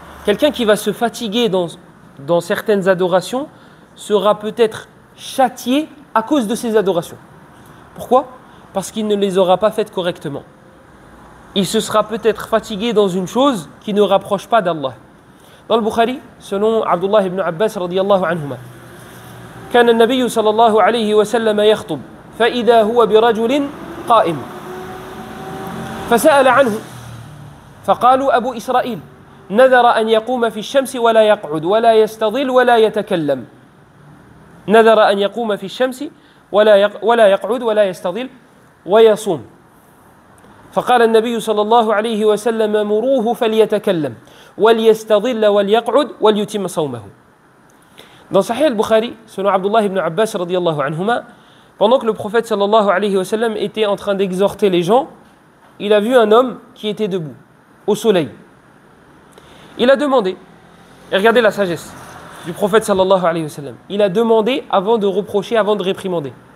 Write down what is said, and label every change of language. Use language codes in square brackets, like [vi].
[fr] Quelqu'un qui va se fatiguer dans certaines adorations sera peut-être châtié à cause de ses adorations. Pourquoi? Parce qu'il ne les aura pas faites correctement. Il se sera peut-être fatigué dans une chose qui ne rapproche pas d'Allah. Dans le Bukhari, selon Abdullah ibn Abbas radiyallahu anhuma, [ar] كان النبي صلى الله عليه وسلم يخطب فإذا هو برجل قائم فسأل عنه فقالوا أبو إسرائيل نذر أن يقوم في الشمس ولا يقعد ولا يستظل ولا يتكلم نذر أن يقوم في الشمس ولا يقعد ولا يستظل ويصوم. فقال النبي صلى الله عليه وسلم مروه فليتكلم وليستظل وليقعد وليتم صومه. [fr] Dans Sahih al-Bukhari, selon Abdullah ibn Abbas radiyallahu anhuma, pendant que le prophète sallallahu alayhi wa sallam était en train d'exhorter les gens, il a vu un homme qui était debout, au soleil. Il a demandé, et regardez la sagesse du prophète sallallahu alayhi wa sallam, il a demandé avant de reprocher, avant de réprimander.